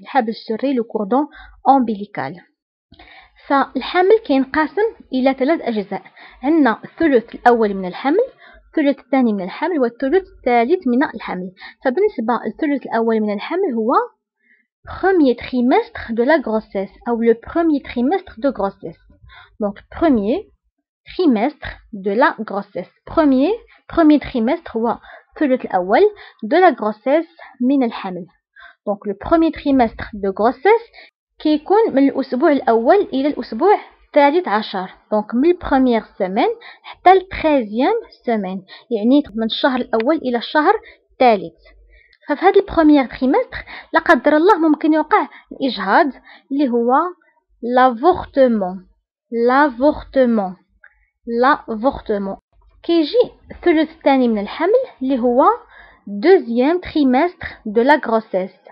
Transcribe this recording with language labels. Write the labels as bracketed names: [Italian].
[Arabic] الحبل السري [French] le cordon ombilical. [Arabic] فالحمل كينقسم الى ثلاث اجزاء. عندنا الثلث الاول من الحمل، الثلث الثاني من الحمل، والثلث الثالث من الحمل. فبالنسبه للثلث الاول من الحمل هو [French] premier trimestre de la grossesse ou le premier trimestre de grossesse. Donc premier trimestre de la grossesse. Premier trimestre ou [Arabic] ثلث الاول [French] de la grossesse [Arabic] من الحمل. [French] Donc le premier trimestre de grossesse [Arabic] كيكون من الاسبوع الاول الى الاسبوع 13. [French] Donc من première semaine حتى 13e semaine. [Arabic] يعني من الشهر الاول الى الشهر الثالث. ففي هذا البروميير تريمستر لا قدر الله ممكن يوقع الاجهاض اللي هو لافورتمون. لافورتمون. لافورتمون. كيجي الثلث الثاني من الحمل اللي هو دوزيام تريمستر دو لا غروسيس.